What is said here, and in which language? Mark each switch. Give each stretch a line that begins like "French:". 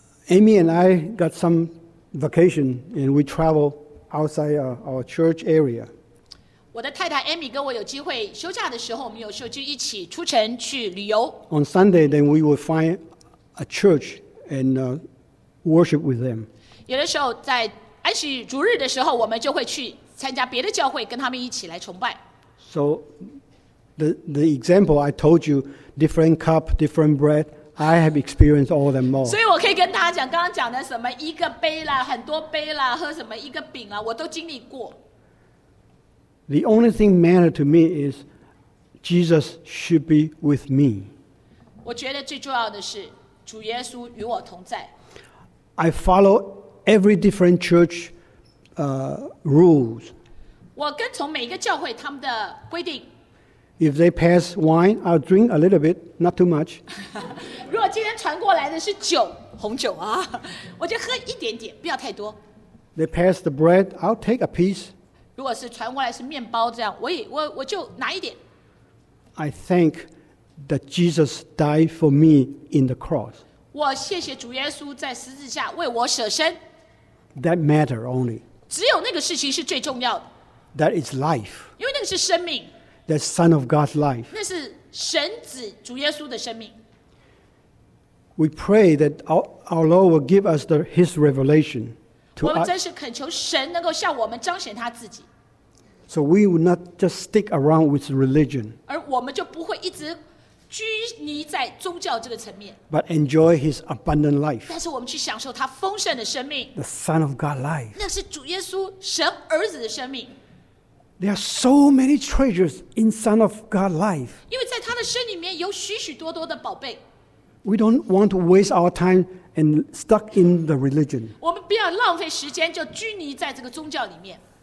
English: Amy and I got some vacation and we traveled outside our church area.
Chinese: 我的太太 Amy 跟我有机会休假的时候，我们有时候就一起出城去旅游。
English: On Sunday, then we would find a church and worship with them.
Chinese: 有的时候在安息主日的时候，我们就会去参加别的教会，跟他们一起来崇拜。
English: So the example I told you, different cup, different bread. I have experienced all of them all.
Chinese: 所以我可以跟大家讲，刚刚讲的什么一个杯啦，很多杯啦，喝什么一个饼啦，我都经历过。
English: The only thing matter to me is Jesus should be with me.
Chinese: 我觉得最重要的是主耶稣与我同在。
English: I follow every different church rules.
Chinese: 我跟从每一个教会他们的规定。
English: If they pass wine, I'll drink a little bit, not too much.
Chinese: 如果今天传过来的是酒，红酒啊，我就喝一点点，不要太多。
English: They pass the bread, I'll take a piece.
Chinese: 如果是传过来是面包这样，我就拿一点。
English: I thank that Jesus died for me in the cross.
Chinese: 我谢谢主耶稣在十字架为我舍身。
English: That matter only.
Chinese: 只有那个事情是最重要的。
English: That is life.
Chinese: 因为那个是生命。
English: The Son of God's life.
Chinese: 那是神子主耶稣的生命。
English: We pray that our Lord will give us His revelation.
Chinese: 我们真是恳求神能够向我们彰显他自己。
English: So we will not just stick around with religion.
Chinese: 而我们就不会一直拘泥在宗教这个层面。
English: But enjoy His abundant life.
Chinese: 但是我们去享受他丰盛的生命。
English: The Son of God's life.
Chinese: 那是主耶稣神儿子的生命。
English: There are so many treasures in Son of God's life.
Chinese: 因为在他的身里面有许许多多的宝贝。
English: We don't want to waste our time and stuck in the religion.
Chinese: 我们不要浪费时间就拘泥在这个宗教里面。